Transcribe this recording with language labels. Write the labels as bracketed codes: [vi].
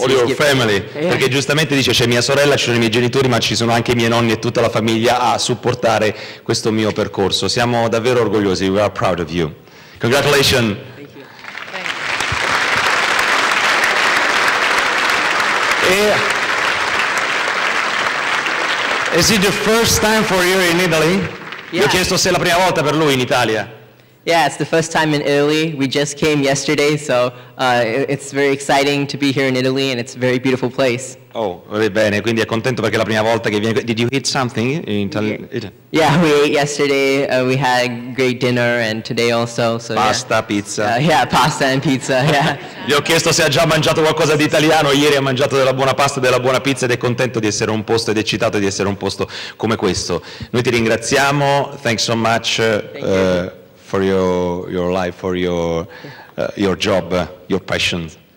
[en] he's given me. All your family, [it] perché giustamente dice c'è mia sorella, ci sono i miei genitori, ma ci sono anche i miei nonni e tutta la famiglia a supportare questo mio percorso. Siamo davvero orgogliosi, [en] we are proud of you. Congratulations. Thank you. Is it the first time for you in Italy? Yeah. [it] Ho chiesto se è la prima volta per lui in Italia. [en] Yeah, it's the first time in Italy. We just came yesterday, so it's very exciting to be here in Italy, and it's a very beautiful place. [it] Oh, va bene, quindi è contento perché è la prima volta che viene. [en] Did you eat something in Italy? Yeah, we ate yesterday. We had a great dinner, and today also. So pasta, pizza. Yeah, pasta and pizza, yeah. [it] Gli ho chiesto se ha già mangiato qualcosa di italiano. Ieri ha mangiato della buona pasta, della buona pizza, ed è contento di essere un posto, ed eccitato di essere un posto come questo. Noi ti ringraziamo. [en] Thanks so much. For your life, for your job, your passion.